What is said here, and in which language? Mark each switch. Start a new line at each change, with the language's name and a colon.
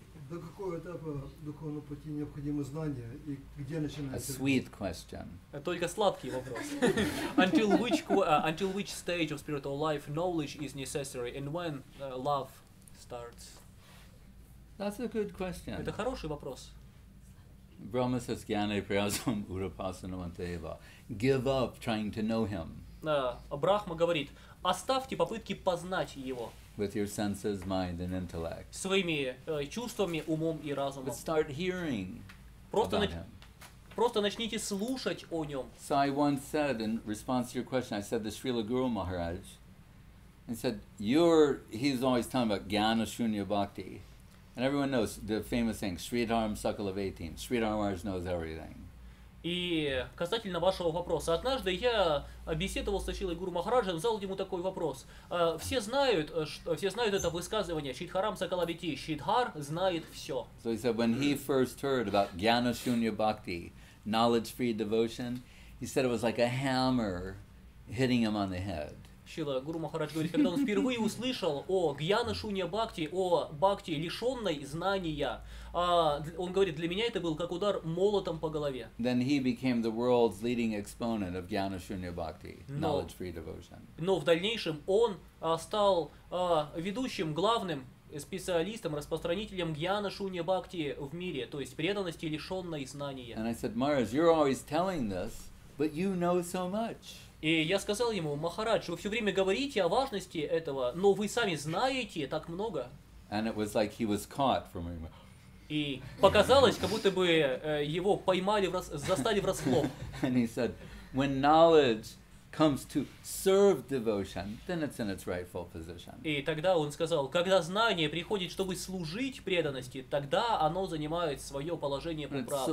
Russian: До какого этапа духовного пути необходимо знание и где начинается?
English: A sweet question.
Russian: Только сладкий вопрос.
English: Until which stage of spiritual life knowledge is necessary and when love starts? That's a good question.
Russian: Это хороший вопрос.
English: Brahma says,
Sanskrit: "Gyane priyasam urapasanamanteva."
English: Give up trying to know him.
Russian: Брахма говорит: оставьте попытки познать его.
English: With your senses, mind, and intellect.
Russian: Своими чувствами, умом и разумом.
English: But start hearing
Russian: просто
English: about him.
Russian: Просто начните слушать о нем.
English: So I once said, in response to your question, I said to Srila Guru Maharaj, and said, he's always talking about Jnana Shunya Bhakti. And everyone knows the famous saying, Sridharam Sakalavetim. Sridhar Maharaj knows everything.
Russian: И касательно вашего вопроса, однажды я беседовал с Шрилой Гуру Махараджем, задал ему такой вопрос. Все знают, что, все знают это высказывание, Шридхарам Сакалабити, Шридхар знает все.
English: So he said, when he first heard about Jnana Shunya Bhakti, knowledge free devotion, he said it was like a hammer hitting him on the head.
Russian: Шрила Гуру Махарадж говорит, когда он впервые услышал о Jnana Shunya Bhakti, о бхакти, лишенной знания, он говорит, для меня это был как удар молотом по голове.
English: Then he became the world's leading exponent of Jnana Shunya Bhakti, knowledge-free devotion.
Russian: Но в дальнейшем он стал ведущим, главным специалистом, распространителем Jnana Shunya Bhakti в мире, то есть преданности, лишенной знания.
English: And I said, Maharaj, you're always telling this, but you know so much.
Russian: И я сказал ему, Махарадж, вы все время говорите о важности этого, но вы сами знаете так много.
English: And it was like he was caught from him.
Russian: И показалось, как будто бы его поймали, застали врасплох.
English: And he said, when knowledge comes to serve devotion, then it's in its rightful position.
Russian: И тогда он сказал, когда знание приходит, чтобы служить преданности, тогда оно занимает свое положение по праву.